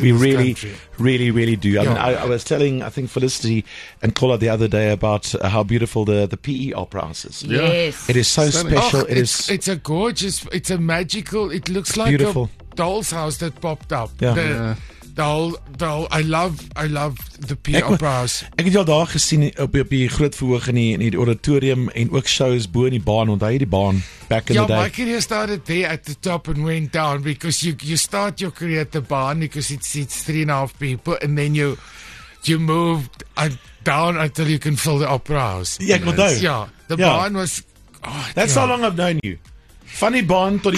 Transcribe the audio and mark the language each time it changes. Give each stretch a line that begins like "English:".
English: We really, really do. Yeah. I mean, I was telling, I think, Felicity and Paula the other day about how beautiful the PE Opera House is. Yes. It is so special. Oh, it's a gorgeous, it's a magical, it looks like beautiful. A doll's house that popped up. I love the PE Opera House.
Afrikaans: Ek het jou daar gesien op die groot verhoog in die auditorium en ook shows bo in die baan, onthou jy die baan back in the day.
English: Yeah, my career started there at the top and went down because you start your career at the baan because it's 3.5 people and then you moved down until you can fill the Opera House. Baan was... Oh, that's how long I've known you. Funny bond to the